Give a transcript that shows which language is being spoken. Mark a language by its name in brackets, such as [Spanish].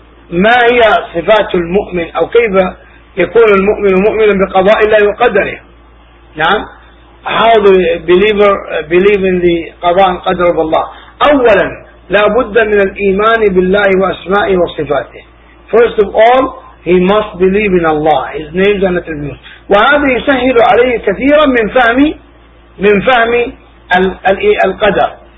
[Arabic] ما هي صفات المؤمن, أو كيف يكون المؤمن مؤمنا بقضاء الله وقدره. [English] نعم, how the believer believe in the قضاء وقدر of Allah. [Arabic] أولا لا بد من الإيمان بالله وأسمائه وصفاته. [English] First of all, he must believe in Allah, his names and attributes. [Arabic] وهذا يسهل عليه كثيرا من فهم القدر.